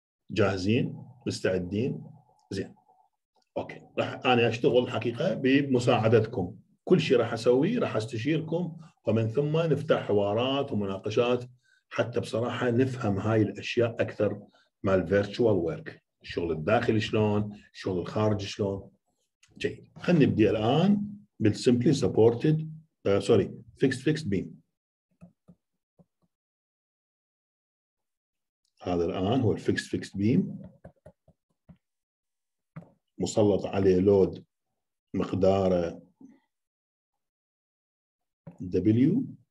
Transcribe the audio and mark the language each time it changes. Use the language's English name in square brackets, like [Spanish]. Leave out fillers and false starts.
[Arabic] جاهزين؟ مستعدين؟ زين اوكي، راح انا اشتغل حقيقه بمساعدتكم. كل شيء راح اسويه راح استشيركم، ومن ثم نفتح حوارات ومناقشات حتى بصراحه نفهم هاي الاشياء اكثر مع الفيرتشوال ورك، الشغل الداخلي شلون، الشغل الخارجي شلون. جيد، خلينا نبدا الان [English] with simply supported, sorry, fixed beam. [Arabic] هذا الآن هو fixed beam. مسلط عليه لود مقداره W.